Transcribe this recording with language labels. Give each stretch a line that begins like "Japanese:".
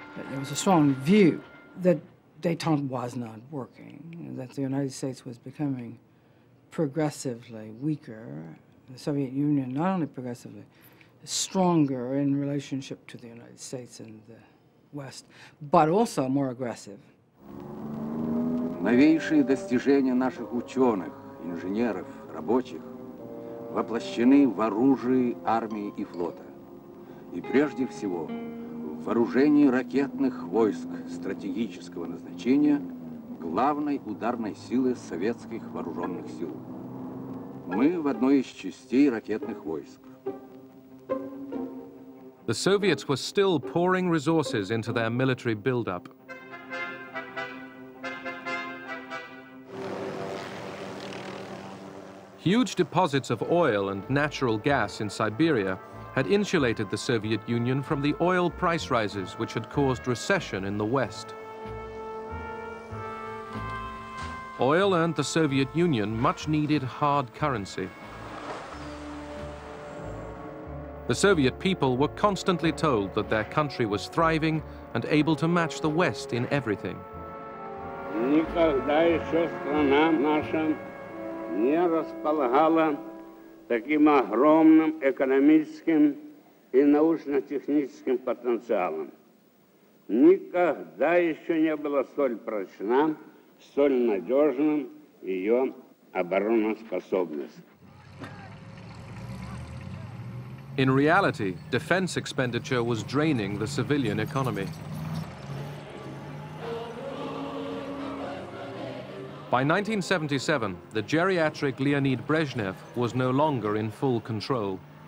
English: There was a strong view that détente was not working, that the United States was becoming progressively weaker, the Soviet Union not only progressively stronger in relationship to the United States and the West, but also more aggressive.
Russian: Новейшие достижения наших ученых, инженеров, рабочих воплощены в оружии армии и флота. И прежде всего, в вооружении ракетных войск стратегического назначения главной ударной силы советских вооруженных сил. Мы в одной из частей ракетных войск.
English: The Soviets were still pouring resources into their military build-up. Huge deposits of oil and natural gas in Siberia had insulated the Soviet Union from the oil price rises which had caused recession in the West. Oil earned the Soviet Union much needed hard currency. The Soviet people were constantly told that their country was thriving and able to match the West in everything.
Russian: Никогда еще страна наша не располагала таким огромным экономическим и научно-техническим потенциалом. Никогда еще не было столь прочна, столь надежным ее обороноспособность.
English: In reality, defense expenditure was draining the civilian economy. By 1977, the geriatric Leonid Brezhnev was no longer in full control.